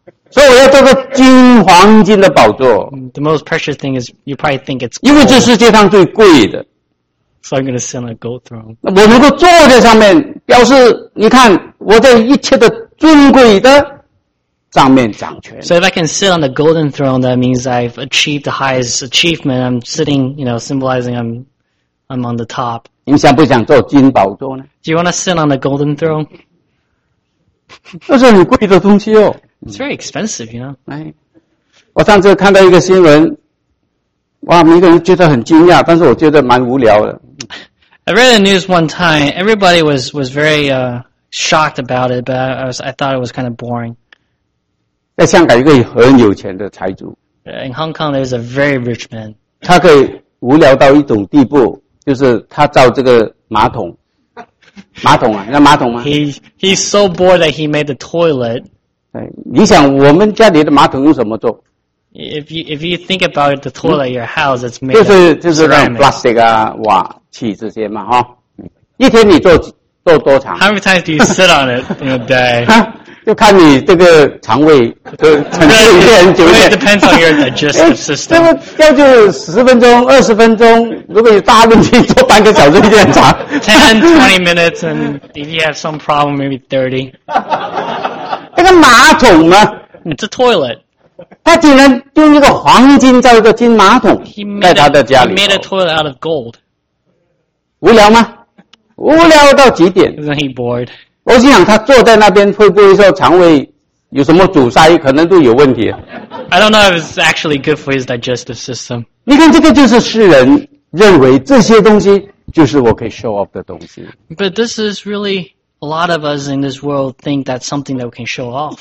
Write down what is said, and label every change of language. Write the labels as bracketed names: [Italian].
[Chinese] 所以我要做个金黄金的宝座。 [English] The most precious thing is, you probably think it's gold. [Chinese] 因为这世界上最贵的。 [English] So I'm gonna sit on a gold throne. [Chinese] 我能够坐在上面，表示你看我在一切的尊贵的上面掌权。 [English] So if I can sit on the golden throne, that means I've achieved the highest achievement. I'm sitting, you know, symbolizing I'm on the top. [Chinese] 你想不想做金宝座呢？ [English] Do you want to sit on the golden throne? [Chinese] 这是很贵的东西哦。 [English] It's very expensive, you know. [Chinese] 我上次看到一个新闻，哇，每个人觉得很惊讶，但是我觉得蛮无聊的。 [English] I read the news one time. Everybody was very shocked about it, but I thought it was kind of boring. [Chinese] 在香港一个很有钱的财主。 [English] In Hong Kong, there's a very rich man. [Chinese] 他可以无聊到一种地步，就是他造这个马桶，马桶啊，那马桶吗？ [English] He's so bored that he made the toilet. [Chinese] 你想我们家里的马桶用什么做？ [English] If you think about the toilet your house, it's made [Chinese] 就是那种 plastic 啊、瓦器这些嘛，哈。一天你做多长 [English] ？How many times do you sit on it in a day？ [Chinese] 就看你这个肠胃承受一点久一点。 [English] It depends on your digestive system。 [Chinese] 这样就十分钟、二十分钟，如果有大问题，做半个小时有点长。 [English] 10-20 minutes, and if you have some problem, maybe 30. [Chinese] 这个马桶呢 [English] ？It's a toilet. [Chinese] 他竟然用一个黄金造一个金马桶在他的家里。 [English] He made a toilet out of gold. [Chinese] 无聊吗？无聊到极点。 [English] Isn't he bored? [Chinese] 我心想他坐在那边会不会说肠胃有什么阻塞，可能都有问题。 [English] I don't know if it's actually good for his digestive system. [Chinese] 你看这个就是世人认为这些东西就是我可以 show off 的东西。 [English] But this is really a lot of us in this world think that's something that we can show off.